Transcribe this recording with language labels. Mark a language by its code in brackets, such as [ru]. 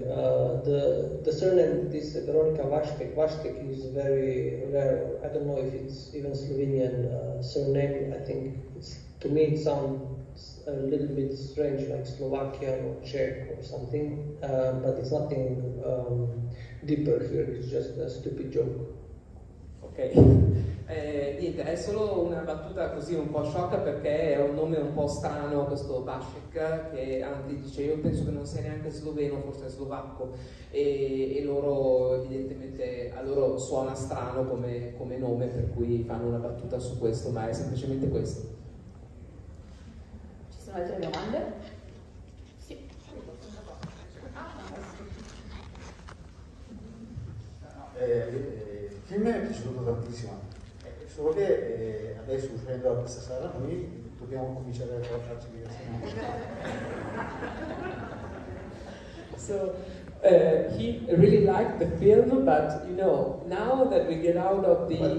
[en] The surname, this Veronika Vaštek is very rare. I don't know if it's even Slovenian surname. I think it sounds a little bit strange, like Slovakian or Czech or something, but it's nothing deeper here, it's just a stupid joke. Okay. [it] Niente, è solo una battuta così un po' sciocca, perché è un nome un po' strano, questo Vaštek, che anzi dice, io penso che non sia neanche sloveno, forse è slovacco, e loro evidentemente, a loro suona strano come nome, per cui fanno una battuta su questo, ma è semplicemente questo. Ci sono altre domande? Il film mi è piaciuto tantissimo, solo che adesso, uscendo da questa sala, noi dobbiamo cominciare a farci diversamente. [en] So, he really liked the film, but you know, now that we get out of the...